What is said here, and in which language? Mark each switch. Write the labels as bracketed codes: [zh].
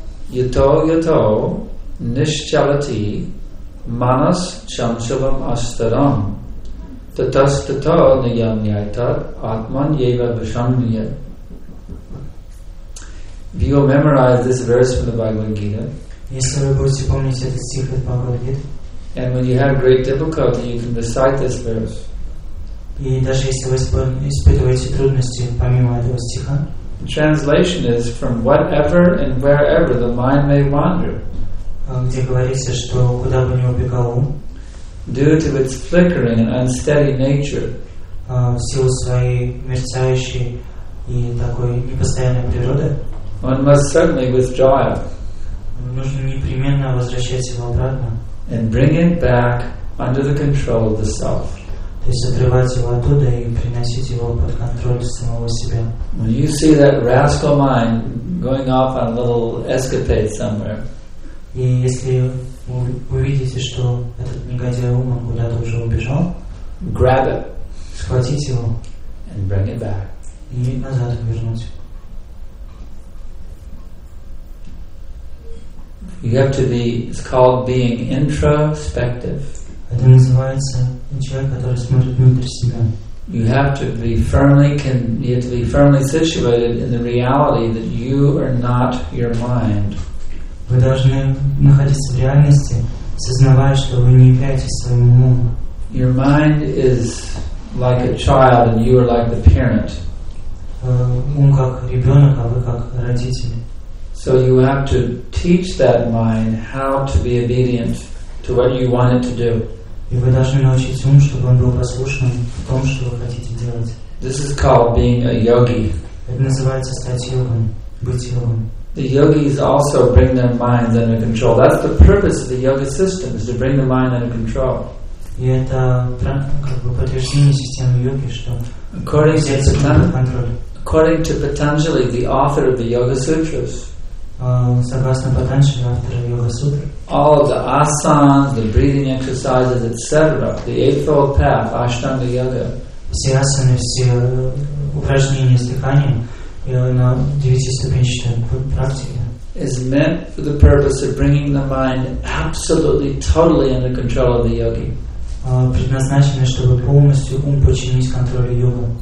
[sa] Yato yato nishchalati manas chanchalam astaram tatas tato niyam nyaitat atman yeva vishamniya. [en] If you will memorize this verse from the Bhagavad Gita, [ru] если вы будете помнить этот стих от Бхагавад Гиты, [en] and when you have great difficulty, you can recite this verse. [ru] И даже если вы испытываете трудности помимо этого стиха, [en] the translation is from whatever and wherever the mind may wander. [ru] Где говорится, что куда бы ни убегал ум, [en] due to its flickering and unsteady nature, [ru] в силу своей мерцающей и такой непостоянной природы, [en] one must certainly withdraw it. [ru] Нужно непременно возвращать его обратно. [en] And bring it back under the control of the self. [ru] То есть отрывать его оттуда и приносить его под контроль самого себя. [en] When you see that rascal mind going off on a little escapade somewhere, [ru] и если вы увидите, что этот негодяй ум куда-то уже убежал, [en] grab it. [ru] Схватить его. [en] And bring it back. [ru] И назад вернуть. [en] You have to be, it's called being introspective. [ru] Это называется человек, который смотрит внутрь себя. [en] You have to be firmly situated in the reality that you are not your mind. [ru] Вы должны находиться в реальности, сознавая, что вы не являетесь своим умом. [en] Your mind is like a child and you are like the parent. [ru] Ум как ребенок, а вы как родители. [en] So you have to teach that mind how to be obedient to what you want it to do. [ru] И вы должны научить ум, чтобы он был послушным в том, что вы хотите делать. [en] This is called being a yogi. [ru] Это называется стать йогом, быть йогом. [en] The yogis also bring their minds under control. That's the purpose of the yoga system, is to bring the mind under control. [ru] И это как бы подтверждение системы йоги, что [en] according to Patanjali, the author of the Yoga Sutras, [ru] согласно Патанджали, автора Йога Сутр, [en] all of the asanas, the breathing exercises, etc., the Eightfold Path, Ashtanga Yoga, [ru] все асаны, все упражнения с дыханием, или на девятиступенчатой практике, [en] is meant for the purpose of bringing the mind absolutely, totally under control of the yogi. [ru] Предназначено, чтобы полностью ум подчинить контролю йога.